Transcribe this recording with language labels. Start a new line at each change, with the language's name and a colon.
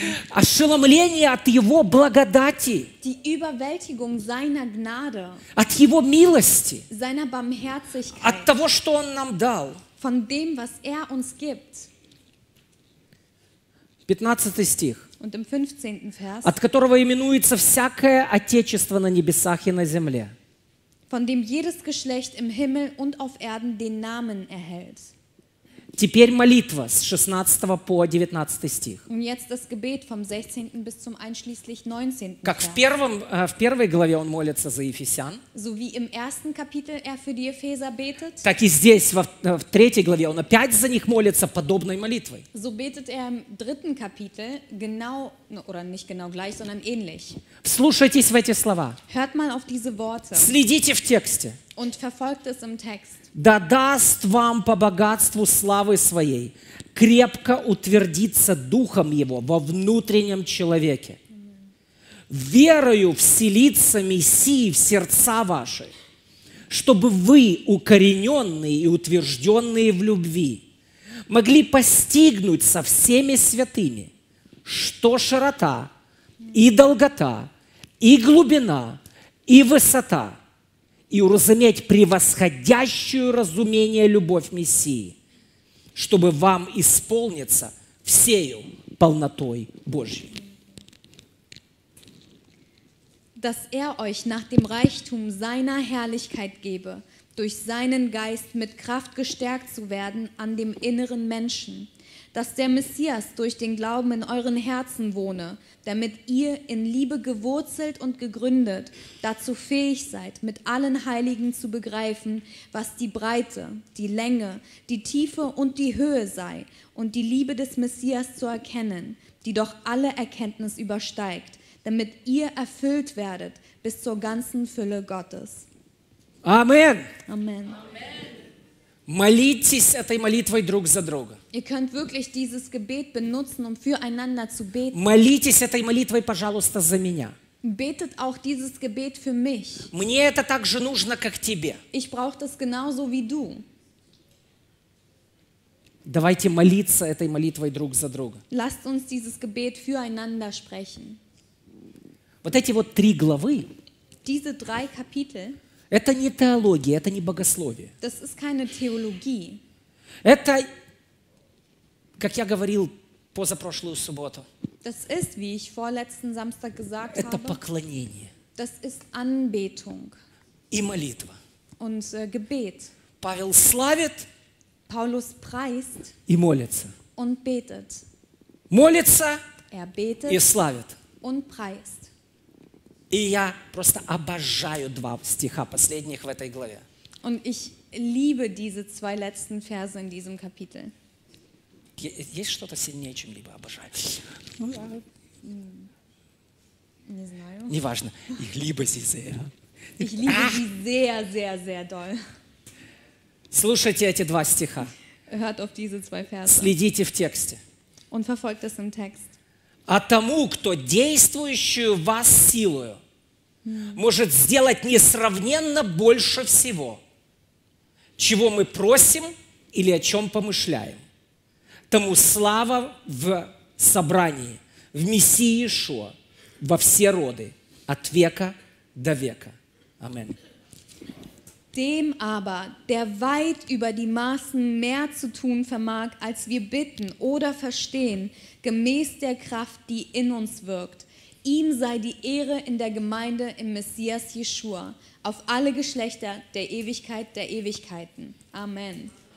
Russian: Ошеломление от Его благодати.
German: Die Überwältigung seiner Gnade.
Russian: От Его милости.
German: Seiner Barmherzigkeit.
Russian: От того, что Он нам дал.
German: Von dem, was er uns gibt.
Russian: 15 стих.
German: Und im 15. Vers.
Russian: От которого именуется всякое отечество на небесах и на земле.
German: von dem jedes Geschlecht im Himmel und auf Erden den Namen erhält.
Russian: Теперь молитва с 16 по 19 стих.
German: Und jetzt das Gebet vom 16. bis zum einschließlich 19.
Russian: Как в первой главе он молится за Ефесян.
German: So wie im ersten Kapitel er für die Epheser betet.
Russian: Так и здесь в третьей главе он опять за них молится подобной молитвой.
German: So betet er im dritten Kapitel genau oder nicht genau gleich, sondern ähnlich.
Russian: Вслушайтесь в эти слова.
German: Hört mal auf diese Worte.
Russian: Следите в тексте.
German: Und verfolgt es im Text.
Russian: Да даст вам по богатству славы своей крепко утвердиться духом его во внутреннем человеке, верою вселиться Мессии в сердца ваши, чтобы вы, укорененные и утвержденные в любви, могли постигнуть со всеми святыми, что широта и долгота, и глубина, и высота, и уразуметь превосходящую разумение любовь Мессии, чтобы вам исполниться всею полнотой Божьей.
German: Dass euch nach dem Reichtum seiner Herrlichkeit gebe, durch seinen Geist mit Kraft gestärkt zu werden an dem inneren Menschen, dass der Messias durch den Glauben in euren Herzen wohne, damit ihr in Liebe gewurzelt und gegründet dazu fähig seid, mit allen Heiligen zu begreifen, was die Breite, die Länge, die Tiefe und die Höhe sei und die Liebe des Messias zu erkennen, die doch alle Erkenntnis übersteigt, damit ihr erfüllt werdet bis zur ganzen Fülle Gottes. Amen. Amen.
Russian: Молитесь этой молитвой друг за друга.
German: Ihr könnt wirklich dieses Gebet benutzen, um füreinander zu beten.
Russian: Молитесь этой молитвой, пожалуйста, за меня.
German: Betet auch dieses Gebet für mich.
Russian: Мне это так же нужно, как тебе.
German: Ich brauche das genauso wie du.
Russian: Давайте молиться этой молитвой друг за друга.
German: Lasst uns dieses Gebet füreinander sprechen.
Russian: Вот эти вот три главы.
German: Diese drei Kapitel.
Russian: Это не теология, это не богословие.
German: Das ist keine Theologie.
Russian: Это, как я говорил позапрошлую субботу.
German: Das ist, wie ich vorletzten Samstag gesagt
Russian: это
German: habe.
Russian: Это поклонение.
German: Das ist Anbetung.
Russian: И молитва.
German: Und Gebet.
Russian: Павел славит.
German: Paulus preist.
Russian: И молится.
German: Und betet.
Russian: Молится.
German: Er betet.
Russian: И славит.
German: Und preist.
Russian: И я просто обожаю два стиха последних в этой главе.
German: Und ich liebe diese zwei letzten Verse in diesem Kapitel.
Russian: Есть что-то сильнее, чем либо обожаю? Не знаю. Неважно.
German: Ich liebe sie sehr. Ich liebe sie sehr, sehr, sehr doll.
Russian: Слушайте эти два стиха.
German: Hört auf diese zwei Verse.
Russian: Следите в тексте.
German: Und verfolgt es im Text.
Russian: А тому, кто действующую в вас силою, может сделать несравненно больше всего, чего мы просим или о чем помышляем. Тому слава в собрании, в Мессии Иешуа, во все роды, от века до века. Аминь.
German: Dem aber, der weit über die Maßen mehr zu tun vermag, als wir bitten oder verstehen, gemäß der Kraft, die in uns wirkt, ihm sei die Ehre in der Gemeinde im Messias Jeschua, auf alle Geschlechter der Ewigkeit der Ewigkeiten. Amen.